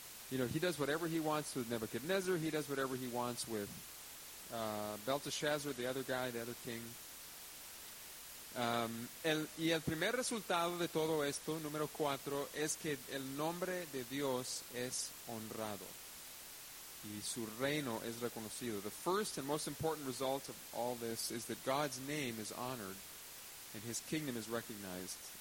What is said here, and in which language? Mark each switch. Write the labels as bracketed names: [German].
[English] You know, he does whatever he wants with Nebuchadnezzar. He does whatever he wants with Belteshazzar, the other guy, the other king. [Spanish] El primer resultado de todo esto, número cuatro, es que el nombre de Dios es honrado. Y su reino es reconocido. [English] The first and most important result of all this is that God's name is honored and his kingdom is recognized.